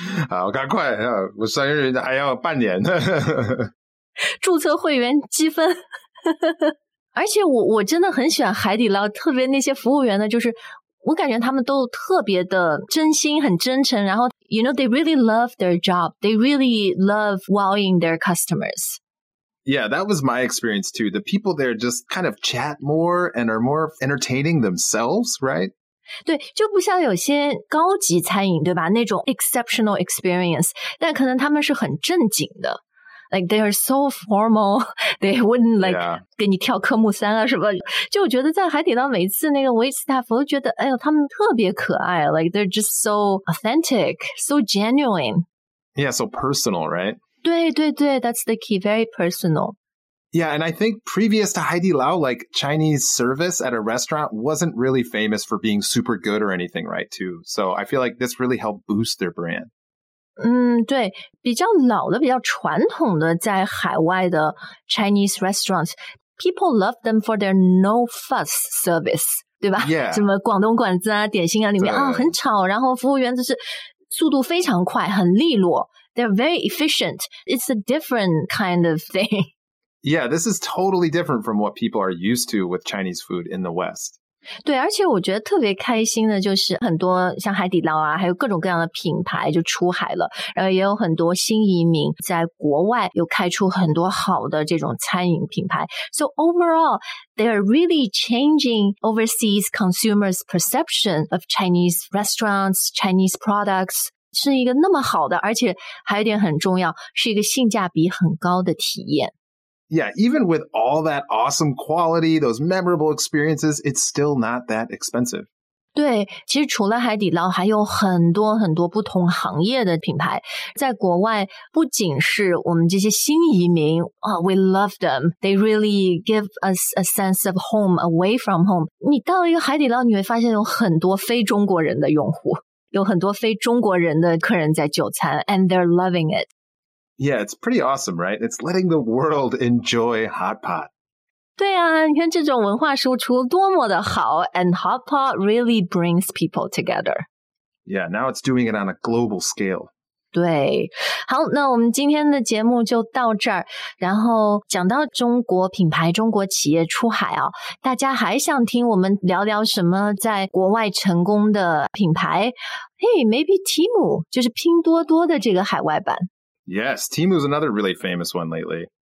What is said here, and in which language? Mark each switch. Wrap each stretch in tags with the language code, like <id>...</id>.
<zh>好，赶快，我生日还要半年。注册会员积分。而且我真的很喜欢海底捞，特别那些服务员呢，就是我感觉他们都特别的真心，很真诚。</zh> <en>然后 ，you know, they really love their job. They really love wowing their customers. Yeah, that was my experience too. The people there just kind of chat more and are more entertaining themselves, right?</en> <zh>对，就不像有些高级餐饮，对吧？那种</zh> <en>exceptional experience,</en> <zh>但可能他们是很正经的。</zh> <en>Like, they are so formal, they wouldn't, like,、yeah.</en> <zh>给你跳科目三啊什么。就我觉得在海底捞每次那个 waitstaff, 我都觉得哎呦，他们特别可爱。</zh> <en>Like, they're just so authentic, so genuine. Yeah, so personal, right?</en> <zh>对对对</zh> <en>that's the key, very personal. Yeah, and I think previous to Heidi Lau, like Chinese service at a restaurant wasn't really famous for being super good or anything, right, too. So I feel like this really helped boost their brand.</en> <zh>对比较老的比较传统的在海外的</zh> <en>Chinese restaurants, people love them for their no fuss service,</en> <zh>对吧</zh> <en>Yeah.</en> <zh>什么广东馆子啊点心啊里面啊很吵然后服务员就是速度非常快很利落。</zh> <en>They're very efficient. It's a different kind of thing. Yeah, this is totally different from what people are used to with Chinese food in the West.</en> <zh>对，而且我觉得特别开心的就是很多像海底捞啊，还有各种各样的品牌就出海了，然后也有很多新移民在国外又开出很多好的这种餐饮品牌。</zh> <en>So overall, they are really changing overseas consumers' perception of Chinese restaurants, Chinese products.</en> <zh>是一个那么好的而且还有一点很重要是一个性价比很高的体验。</zh> <en>Yeah, even with all that awesome quality, those memorable experiences, it's still not that expensive.</en> <zh>对其实除了海底捞还有很多很多不同行业的品牌。在国外不仅是我们这些新移民、</zh> <en>we love them. They really give us a sense of home away from home.</en> <zh>你到一个海底捞你会发现有很多非中国人的用户。有很多非中国人的客人在就餐</zh> <en>and they're loving it. Yeah, it's pretty awesome, right? It's letting the world enjoy hot pot.</en> <zh>对啊你看这种文化输出多么的好</zh> <en>and hot pot really brings people together. Yeah, now it's doing it on a global scale.</en> <zh>对好那我们今天的节目就到这儿然后讲到中国品牌中国企业出海啊，大家还想听我们聊聊什么在国外成功的品牌</zh> <en>Hey, maybe</en> <zh>Temu 就是拼多多的这个海外版</zh> <en>Yes, Temu is another really famous one lately</en>